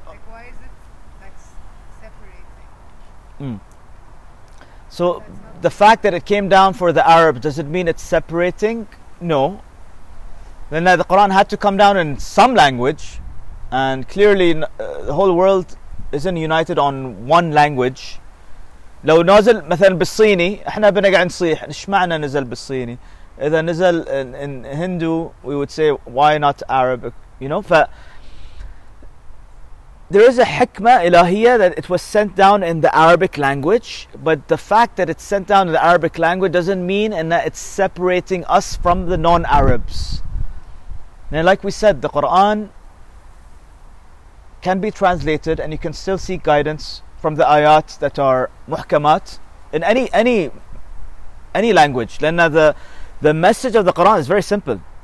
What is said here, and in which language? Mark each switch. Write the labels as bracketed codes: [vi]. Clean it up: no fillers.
[en] like, why is it, like, separating? So, the fact that it came down for the Arabs, does it mean it's separating? No. Then the Quran had to come down in some language, and clearly the whole world isn't united on one language. [ar] لو نزل مثلا بالصيني احنا بنقعد نصيح ايش معنى نزل بالصيني اذا نزل [en] in Hindu we would say why not Arabic, you know. There is a hikmah ilahiyah that it was sent down in the Arabic language, but the fact that it's sent down in the Arabic language doesn't mean and that it's separating us from the non-Arabs. Now, like we said, the Quran can be translated and you can still seek guidance from the ayat that are muhkamat in any language. لأن the message of the Quran is very simple.